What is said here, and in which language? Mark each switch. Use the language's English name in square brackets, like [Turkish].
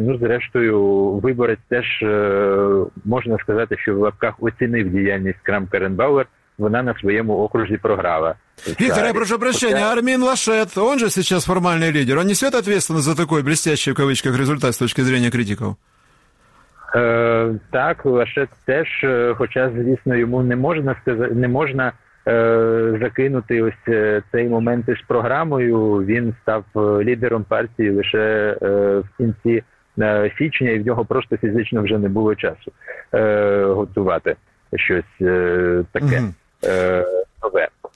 [Ukrainian] Ну, зрештою, виборець теж, можна сказати, що в лапках оцінив діяльність Крамп-Каренбауер, вона на своєму окрузі програла. [Russian] Віктор, я прошу прощения, Армін Лашет, он же сейчас формальный лидер, он несет ответственность за такой блестящий, в кавычках, результат с точки зрения критиков? [Ukrainian] Так, Лашет теж, хоча, звісно, йому не можна сказати, не можна закинути ось цей момент із програмою. Він став лідером партії лише в кінці січня, і в нього просто фізично вже не було часу готувати щось таке нове.